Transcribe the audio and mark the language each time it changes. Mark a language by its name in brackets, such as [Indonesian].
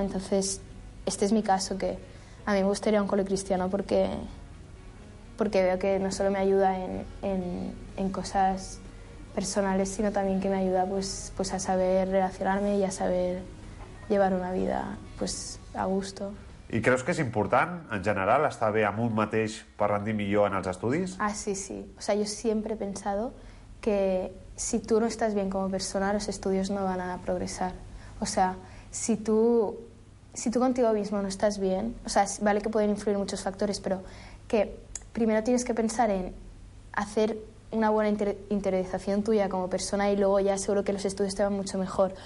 [Spanish] Entonces, este es mi caso, que a mí me gustaría un cole cristiano porque veo que no solo me ayuda en cosas personales, sino también que me ayuda pues a saber relacionarme y a saber llevar una vida pues a gusto. [Catalan] ¿Y creus que és important, en general, estar bé amb un mateix per rendir millor en els estudis? [Spanish] Ah, sí, sí. O sea, yo siempre he pensado que si tú no estás bien como persona, los estudios no van a progresar. O sea, si tú contigo mismo no estás bien, o sea, vale que pueden influir muchos factores, pero que primero tienes que pensar en hacer una buena interiorización tuya como persona y luego ya seguro que los estudios te van mucho mejor.